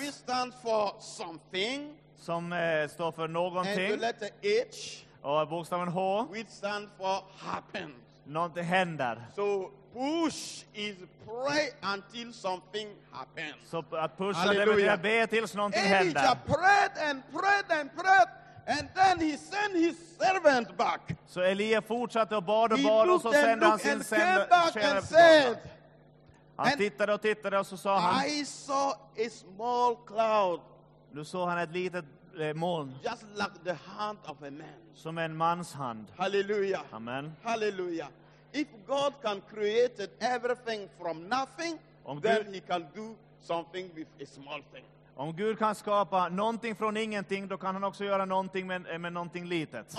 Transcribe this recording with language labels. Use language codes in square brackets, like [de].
[en] Which stands for something. [sv] Som står för någonting. [en] And the letter H. [sv] Och bokstaven H. [en] Which stands for happen. [sv] Något händer. [en] So push is pray until something happens. [sv] Så att pusha, det betyder be tills någonting händer. [en] Elijah prayed and prayed and prayed. And then he sent his servant back. [sv] Så Elia fortsatte och bad och bad och så sände han sin [en] servant. [sv] Han tittade och så sa han. [en] I saw a small cloud. [sv] Nu såg han ett litet moln. [en] Just like the hand of a man. [sv] Som en mans hand. Halleluja. Amen. Halleluja. [en] If God can create everything from nothing, then he can do something with a small thing. [sv] Om Gud kan skapa någonting från ingenting, då kan han också göra någonting med någonting litet.